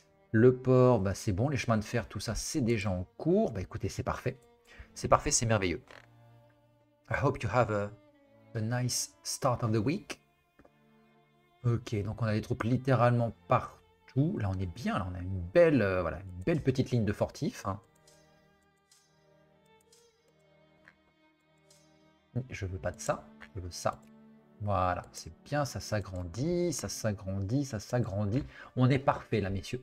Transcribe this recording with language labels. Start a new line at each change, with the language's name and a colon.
French: Le port, ben c'est bon. Les chemins de fer, tout ça, c'est déjà en cours. Ben écoutez, c'est parfait. C'est parfait, c'est merveilleux.
English: I hope you have a nice start of the week.
French: Ok, donc on a des troupes littéralement partout. Là, on est bien. Là, on a une belle, voilà, une belle petite ligne de fortifs. Hein. Je veux pas de ça. Je veux ça. Voilà, c'est bien. Ça s'agrandit, ça s'agrandit, ça s'agrandit. On est parfait, là, messieurs.